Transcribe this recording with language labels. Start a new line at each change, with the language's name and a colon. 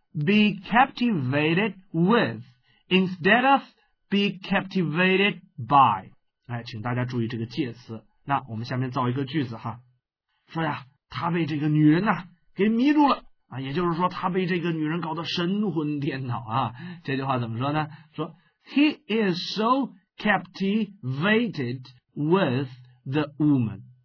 English: be captivated with instead of be captivated by.
Chinese: 哎，请大家注意这个介词。那我们下面造一个句子哈，说呀，他被这个女人呢给迷住了。啊，也就是说他被这个女人搞得神魂颠倒啊。这句话怎么说呢？说
English: He is so captivated with the woman.